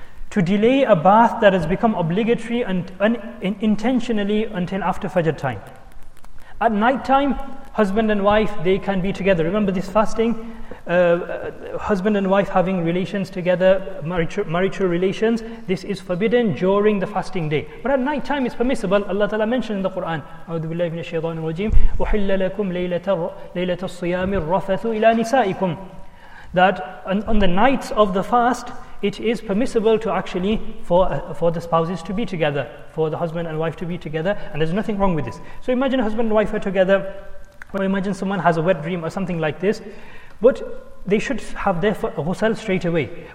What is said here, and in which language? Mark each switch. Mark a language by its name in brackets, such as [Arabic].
[English] To delay a bath that has become obligatory and intentionally until after Fajr time. At night time, husband and wife, they can be together. Remember this fasting? Husband and wife having relations together, marital relations, this is forbidden during the fasting day. But at night time it's permissible. Allah Ta'ala mentioned in the Quran, [Arabic] أعوذ بالله من الشيطان الرجيم أحل لكم ليلة الصيام الرفث إلى نسائكم. [English] That on the nights of the fast, it is permissible to actually for the spouses to be together, for the husband and wife to be together, and there's nothing wrong with this. So imagine husband and wife are together, or imagine someone has a wet dream or something like this, but they should have their ghusl straight away.